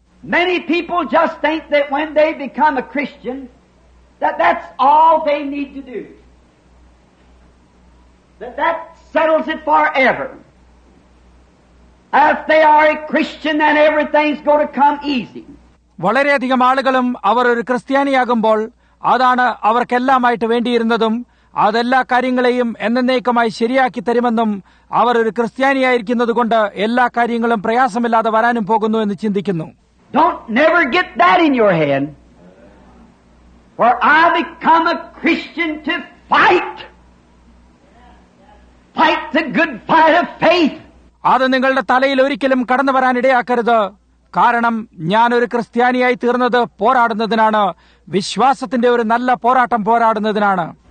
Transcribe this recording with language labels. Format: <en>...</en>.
<en>Many people just think that when they become a Christian, that's all they need to do. That settles it forever. If they are a Christian, then everything's going to come easy.</en> <ml>വളരെ അധികം ആളുകളും അവർ ഒരു ക്രിസ്ത്യാനിയാകുമ്പോൾ അതാണ് അവർക്കെല്ലാമായിട്ട് വേണ്ടിയിരുന്നതും അതെല്ലാ കാര്യങ്ങളെയും എന്നേക്കുമായി ശരിയാക്കി തരുമെന്നും അവർ ഒരു ക്രിസ്ത്യാനിയായിരിക്കുന്നതുകൊണ്ട് എല്ലാ കാര്യങ്ങളും പ്രയാസമില്ലാതെ വരാനും പോകുന്നു എന്ന് ചിന്തിക്കുന്നു.</ml> <en>Don't never get that in your head. For I become a Christian to fight the good fight of faith.</en> <ml>അത് നിങ്ങളുടെ തലയിൽ ഒരിക്കലും കടന്നു വരാനിടയാക്കരുത്. കാരണം ഞാനൊരു ക്രിസ്ത്യാനിയായി തീർന്നത് പോരാടുന്നതിനാണ്, വിശ്വാസത്തിന്റെ ഒരു നല്ല പോരാട്ടം പോരാടുന്നതിനാണ്.</ml>